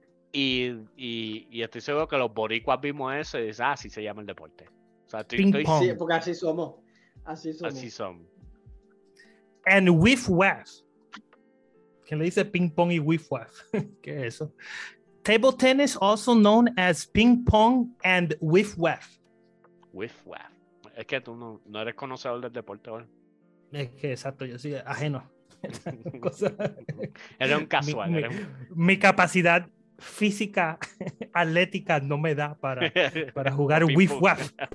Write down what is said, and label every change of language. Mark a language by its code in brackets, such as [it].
[es] Y estoy seguro que los boricuas vimos eso y dicen, así se llama el deporte. O sea, estoy... Sí, porque así somos. Así somos. [en] And Whiff Waff. [es] ¿Qué le dice ping pong y Whiff Waff? ¿Qué es eso? [en] Table tennis, also known as ping pong and Whiff Waff. Whiff Waff. [es] Es que tú no eres conocedor del deporte, ¿vale? Es que exacto, yo soy ajeno. Era un casual. Mi capacidad física, atlética, no me da para jugar Whiff Waff.